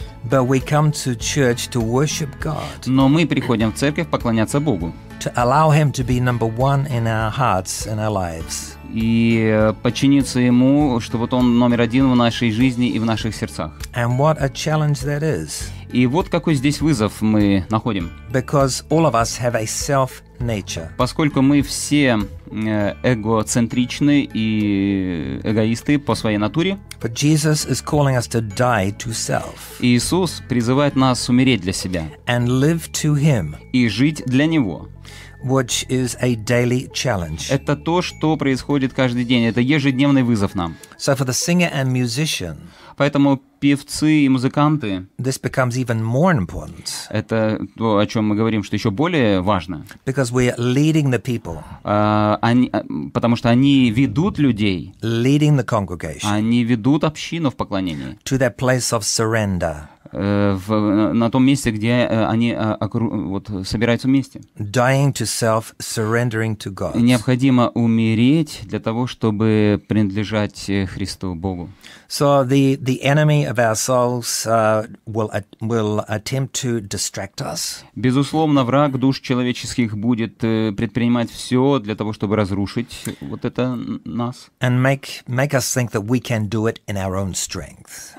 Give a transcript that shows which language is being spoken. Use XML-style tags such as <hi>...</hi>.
<en>But we come to church to worship God.</en> <ru>Но мы приходим в церковь поклоняться Богу.</ru> <en>To allow him to be number one in our hearts and our lives.</en> <ru>И подчиниться ему, чтобы он номер один в нашей жизни и в наших сердцах.</ru> <en>And what a challenge that is.</en> <ru>И вот какой здесь вызов мы находим.</ru> <en>Because all of us have a self nature.</en> <ru>Поскольку мы все эгоцентричны и эгоисты по своей натуре.</ru> <en>But Jesus is calling us to die to self.</en> <ru>Иисус призывает нас умереть для себя.</ru> <en>And live to him.</en> <ru>И жить для него.</ru> <en>Which is a daily challenge.</en> <ru>Это то, что происходит каждый день. Это ежедневный вызов нам.</ru> <en>So for the singer and musician,</en> <ru>поэтому певцы и музыканты.</ru> <en>This becomes even more important.</en> <ru>Это то, о чем мы говорим, что еще более важно.</ru> <en>Because we are leading the people.</en> <ru>Потому что они ведут людей.</ru> <en>Leading the congregation.</en> <ru>Они ведут общину в поклонении.</ru> <en>To their place of surrender.</en> <ru>На том месте, где они вот, собираются вместе.</ru> <en>Dying to self, surrendering to God.</en> <ru>Необходимо умереть для того, чтобы принадлежать Христу, Богу.</ru> <en>So the enemy of our souls will attempt to distract us.</en> <ru>Безусловно, враг душ человеческих будет предпринимать все для того, чтобы разрушить вот это нас.</ru> <en>And make us think that we can do it in our own strength.</en>